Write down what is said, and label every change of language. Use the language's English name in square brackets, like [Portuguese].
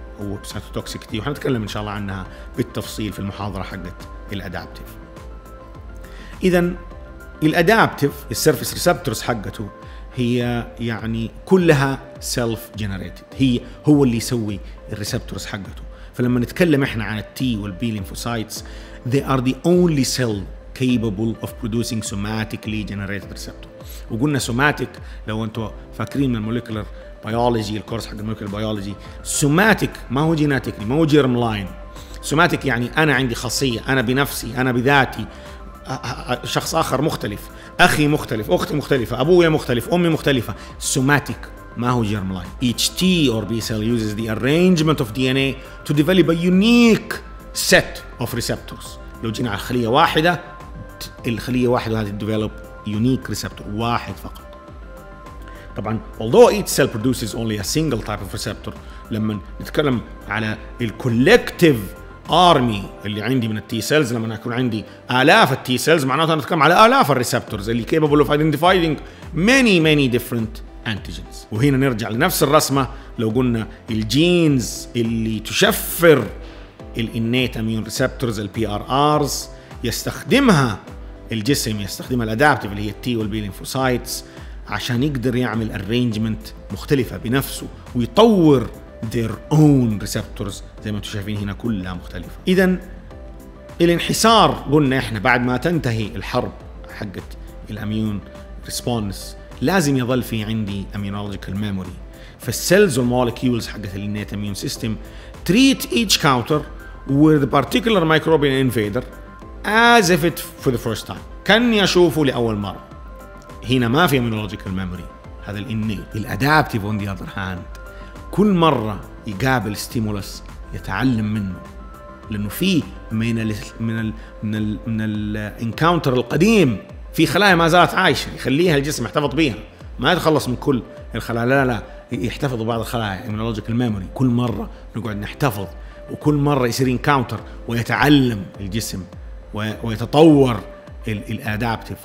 [Arabic] وسيتوتوكسيكتي، وحنتكلم إن شاء الله عنها بالتفصيل في المحاضرة حقت الأدابتيف. إذن الأدابتيف السيرفيس ريسبتورز حقته هي يعني كلها سيلف جنريتد، هي هو اللي يسوي الريسبتورز حقته. فلما نتكلم إحنا عن التي والبي لينفوسايتس، [English] they are the only cell capable of producing somatically generated receptor. [Arabic] وقلنا سوماتيك، لو أنتوا فاكرين من المولكولر بيولوجي الكورس حق المولكولر بيولوجي، سوماتيك ما هو جيناتيك، ما هو جيرم لاين. سوماتيك يعني أنا عندي خاصية، أنا بنفسي، أنا بذاتي، شخص آخر مختلف، أخي مختلف، أختي مختلفة، أبويا مختلف، أمي مختلفة. سوماتيك ما هو جيرم لاين. [English] Each T or B cell uses the arrangement of DNA to develop a unique set of receptors. [Arabic] لو جينا على خلية واحدة، الخلية واحدة هذه [English] develop unique receptor [Arabic] واحد فقط. طبعا [English] although each cell produces only a single type of receptor، [Arabic] لما نتكلم على الكولكتيف army اللي عندي من التي سيلز، لما يكون عندي آلاف التي سيلز معناته أنا أتكلم على آلاف الريسبتورز اللي [English] capable of identifying many many different antigens. [Arabic] وهنا نرجع لنفس الرسمة، لو قلنا الجينز اللي تشفر الانيت اميون ريسبتورز البي ار ارز يستخدمها الجسم، يستخدمها الادابتيف اللي هي التي والبي لينفوسايتس عشان يقدر يعمل ارينجمنت مختلفه بنفسه ويطور [English] their own receptors [Arabic] زي ما انتم شايفين هنا كلها مختلفه. اذا الانحسار قلنا احنا بعد ما تنتهي الحرب حقت الاميون ريسبونس لازم يظل في عندي اميونولوجيكال ميموري. فالسيلز والمولكيولز حقت الانيت اميون سيستم [English] treat each counter with a particular microbial invader as if it for the first time. [Arabic] كان يشوفه لأول مرة. هنا ما في immunological memory. [English] هذا الـ innate. الـ adaptive on the other hand. [Arabic] كل مرة يقابل stimulus يتعلم منه. لأنه في من الـ من الـ من الـ من الـ encounter القديم في خلايا ما زالت عايشة. يخليها الجسم يحتفظ بيها. ما يتخلص من كل الخلايا. لا لا. يحتفظوا بعض الخلايا immunological memory. كل مرة نقعد نحتفظ، وكل مرة يصير encounter ويتعلم الجسم ويتطور الادابتف.